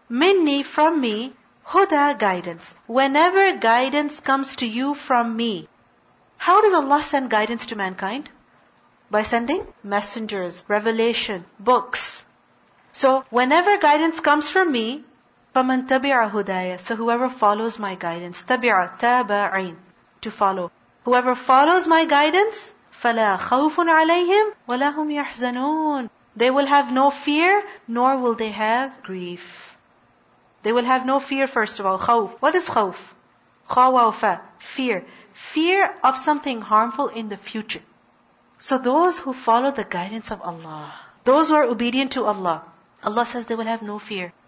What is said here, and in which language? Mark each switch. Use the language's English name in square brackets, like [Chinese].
[English] Minni, from me, huda, guidance. Whenever guidance comes to you from me. How does Allah send guidance to mankind? By sending messengers, revelation, books. So whenever guidance comes from me, [Arabic] فَمَنْ تَبِعَ هُدَايَ. [English] So whoever follows my guidance, [Arabic] تَبِعَ تَابَعِينَ, [English] to follow. Whoever follows my guidance, [Arabic] فَلَا خَوْفٌ عَلَيْهِمْ وَلَا هُمْ يَحْزَنُونَ. [English] They will have no fear, nor will they have grief. They will have no fear, first of all. خَوْف. What is خَوْف? خَوَوْفَ. Fear. Fear of something harmful in the future. So those who follow the guidance of Allah, those who are obedient to Allah, Allah says they will have no fear.